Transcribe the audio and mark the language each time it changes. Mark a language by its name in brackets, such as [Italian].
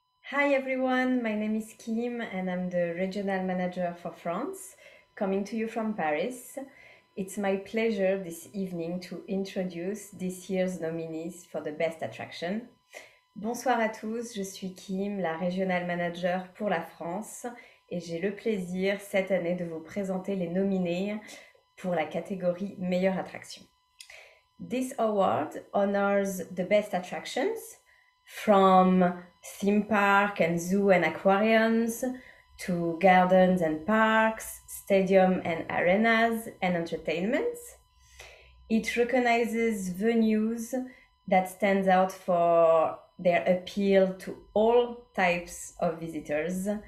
[English] Hi everyone, my name is Kim and I'm the regional manager for France, coming to you from Paris. It's my pleasure this evening to introduce this year's nominees for the best attraction. [French] Bonsoir à tous, je suis Kim, la regional manager pour la France et j'ai le plaisir cette année de vous présenter les nominés pour la catégorie meilleure attraction. [English] This award honors the best attractions from theme park and zoo and aquariums to gardens and parks, stadium and arenas and entertainment. It recognizes venues that stand out for their appeal to all types of visitors.